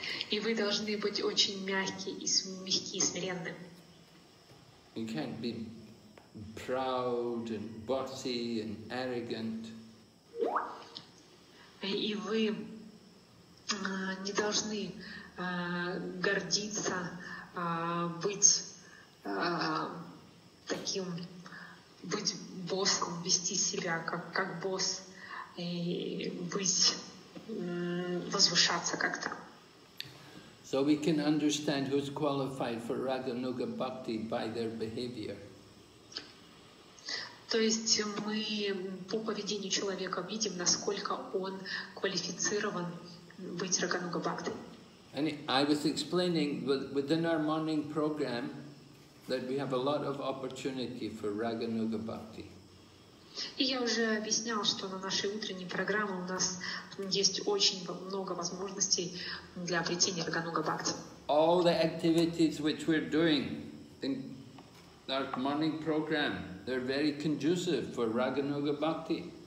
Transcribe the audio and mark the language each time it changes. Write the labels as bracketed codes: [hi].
[ru] И вы должны быть очень мягкие и смиренны. [en] You can't be proud and bossy and arrogant. [ru] И вы не должны гордиться, быть таким, быть боссом, вести себя как босс, и быть, возвышаться как-то. [en] So we can understand who's qualified for Raganuga Bhakti by their behavior. [ru] То есть мы по поведению человека видим, насколько он квалифицирован быть Рагануга Бхакти. [en] And I was explaining within our morning program that we have a lot of opportunity for Raganuga Bhakti. [ru] И я уже объяснял, что на нашей утренней программе у нас есть очень много возможностей для обретения Рагануга Бхакти. [en] All the activities which we're doing in our morning program, they're very conducive for Рагануга Бхакти.